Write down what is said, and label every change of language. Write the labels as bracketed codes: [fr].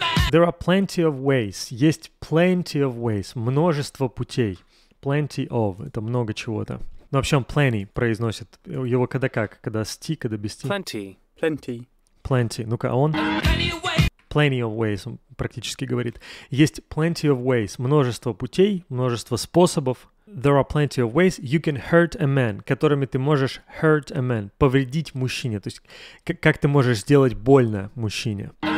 [en] There are plenty of ways. [ru] Есть [en] plenty of ways. [ru] Множество путей. [en] Plenty of. [ru] Это много чего-то. Ну, вообще он plenty произносит. Его когда как? Когда с ти, когда без ти? [en] Plenty. Plenty. Plenty. [ru] Ну-ка, а он? [en] Plenty of ways, [ru] он практически говорит. Есть [en] plenty of ways. [ru] Множество путей, множество способов. [en] There are plenty of ways you can hurt a man, [ru] которыми ты можешь [en] hurt a man, [ru] повредить мужчине. То есть как ты можешь сделать больно мужчине.